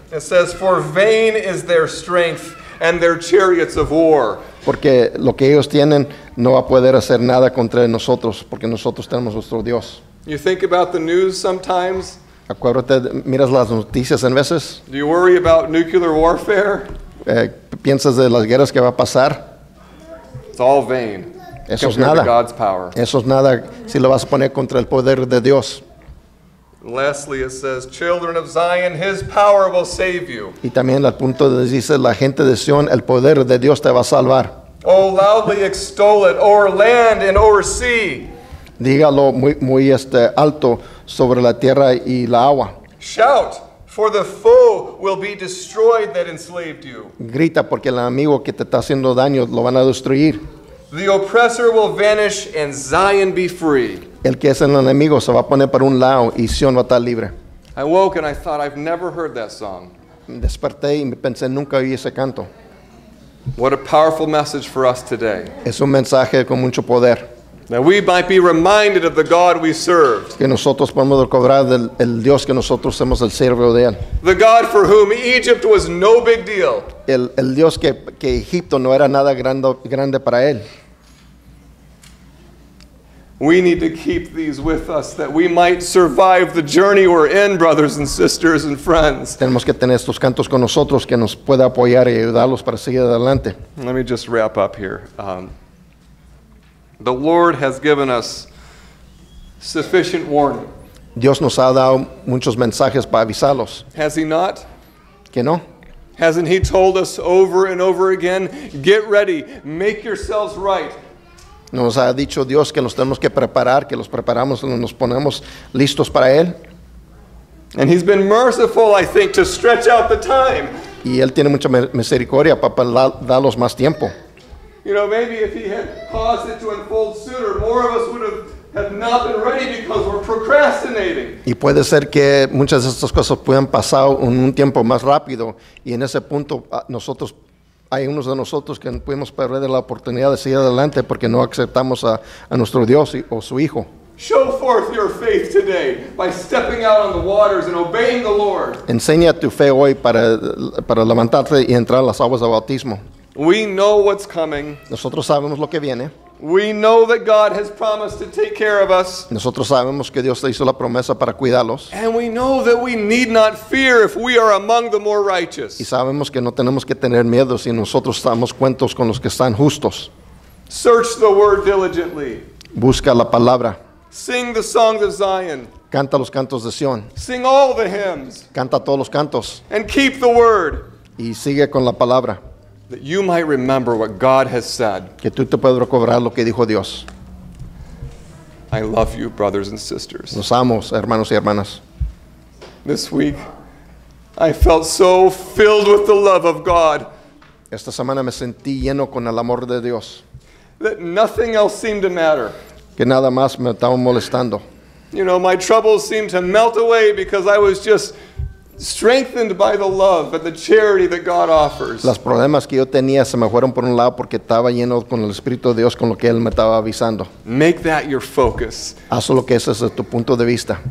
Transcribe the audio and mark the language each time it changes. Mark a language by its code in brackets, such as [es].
[en] It says, for vain is their strength and their chariots of war. [es] Porque lo que ellos tienen no va a poder hacer nada contra nosotros porque nosotros tenemos nuestro Dios. [en] You think about the news sometimes. [es] Acuérdate, miras las noticias en veces. [en] Do you worry about nuclear warfare? [es] ¿Piensas de las guerras que va a pasar? [en] It's all vain. [es] Eso es nada. [en] God's power. [es] Eso es nada si lo vas a poner contra el poder de Dios. [en] Lastly, it says, children of Zion, his power will save you. [es] Y también al punto de dice, la gente de Sion, el poder de Dios te va a salvar. [en] Oh, loudly extol it, o'er land and o'er sea. [es] Dígalo muy, muy alto sobre la tierra y la agua. [en] Shout, for the foe will be destroyed that enslaved you. [es] Grita, porque el enemigo que te está haciendo daño lo van a destruir. [en] The oppressor will vanish and Zion be free. [es] El que es el enemigo se va a poner para un lado y Sion va a estar libre. [en] I woke and I thought, I've never heard that song. [es] Desperté y pensé, nunca oí ese canto. [en] What a powerful message for us today. [es] Es un mensaje con mucho poder. [en] That we might be reminded of the God we serve. [es] Que nosotros podemos recobrar el Dios que nosotros somos el siervo de él. [en] The God for whom Egypt was no big deal. [es] El Dios que Egipto no era nada grande para él. [en] We need to keep these with us that we might survive the journey we're in, brothers and sisters and friends. [es] Tenemos que tener estos cantos con nosotros que nos pueda apoyar y ayudarlos para seguir adelante. [en] Let me just wrap up here. The Lord has given us sufficient warning. [es] Dios nos ha dado muchos mensajes para avisarlos. [en] Has he not? [es] ¿Que no? [en] Hasn't he told us over and over again, get ready, make yourselves right. [es] Nos ha dicho Dios que nos tenemos que preparar, que los preparamos, nos ponemos listos para él. [en] And he's been merciful, I think, to stretch out the time. [es] Y él tiene mucha misericordia para darlos más tiempo. [en] You know, maybe if he had caused it to unfold sooner, more of us would have not been ready because we're procrastinating. [es] Y puede ser que muchas de estas cosas puedan pasar un tiempo más rápido, y en ese punto nosotros hay unos de nosotros que pudimos perder la oportunidad de seguir adelante porque no aceptamos a nuestro Dios o su Hijo. [en] Show forth your faith today by stepping out on the waters and obeying the Lord. [es] Enseña tu fe hoy para levantarte y entrar a las aguas de bautismo. [en] We know what's coming. [es] Nosotros sabemos lo que viene. [en] We know that God has promised to take care of us. [es] Nosotros sabemos que Dios le hizo la promesa para cuidarlos. [en] And we know that we need not fear if we are among the more righteous. [es] Y sabemos que no tenemos que tener miedo si nosotros estamos cuentos con los que están justos. [en] Search the word diligently. [es] Busca la palabra. [en] Sing the songs of Zion. [es] Canta los cantos de Sion. [en] Sing all the hymns. [es] Canta todos los cantos. [en] And keep the word. [es] Y sigue con la palabra. [en] That you might remember what God has said. [es] Que tú te puedas recordar lo que dijo Dios. [en] I love you, brothers and sisters. [es] Los amo, hermanos y hermanas. [en] This week, I felt so filled with the love of God. [es] Esta semana me sentí lleno con el amor de Dios. [en] That nothing else seemed to matter. [es] Que nada más me estaba molestando. [en] You know, my troubles seemed to melt away because I was just strengthened by the love and the charity that God offers. [es] Los problemas que yo tenía se me fueron por un lado porque estaba lleno con el Espíritu de Dios con lo que él me estaba avisando. [en] Make that your focus. [es] Hazlo lo que ese es tu punto de vista.